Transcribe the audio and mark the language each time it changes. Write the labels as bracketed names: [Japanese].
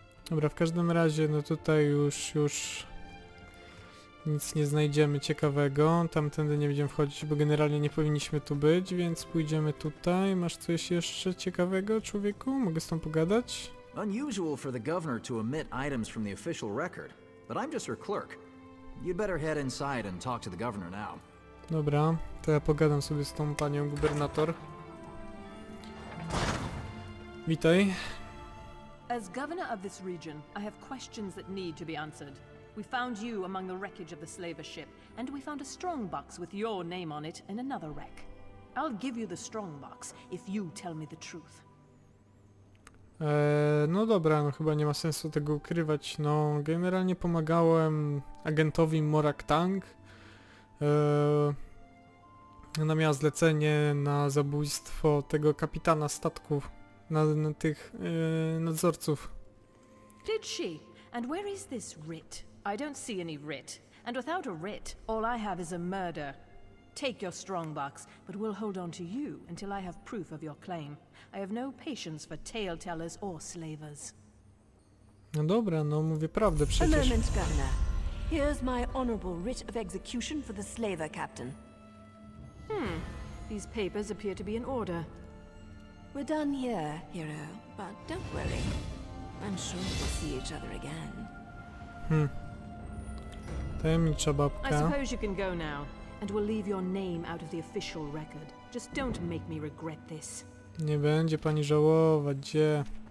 [Polish] Dobra, w każdym razie, no tutaj już nic nie znajdziemy ciekawego. Tamtędy nie będziemy wchodzić, bo generalnie nie powinniśmy tu być, więc pójdziemy tutaj. Masz coś jeszcze ciekawego, człowieku? Mogę z tą pogadać? [English] Unusual for the governor to omit items from the official record, but I'm just her clerk. You'd better head inside and talk to the governor now. [Polish] Dobra, to ja pogadam sobie z tą panią gubernator. Witaj. [English] As governor of this region, I have questions that need to be answered. We found you among the wreckage of the slaver ship, and we found a strong box with your name on it in another wreck. I'll give you the strong box if you tell me the truth. [Polish] No dobra, no chyba nie ma sensu tego ukrywać. No, generalnie pomagałem agentowi Morak Tang. Ona miała zlecenie na zabójstwo tego kapitana statku, na tych nadzorców. [English] Did she? And where is this writ? I don't see any writ. And without a writ, all I have is a murder. Take your strongbox, but we'll hold on to you until I have proof of your claim. I have no patience for tale tellers or slavers. [Polish] No dobra, no mówię prawdę przecież. [English] A moment, governor. Here's my honorable writ of execution for the slaver captain. These papers appear to be in order. We're done here, hero, but don't worry. I'm sure we'll see each other again. [Polish] Tajemnicza babka. [English] I suppose you can go now. And we'll leave your name out of the official record. Just don't make me regret this. [Polish] Nie będzie pani żałować, gdzie?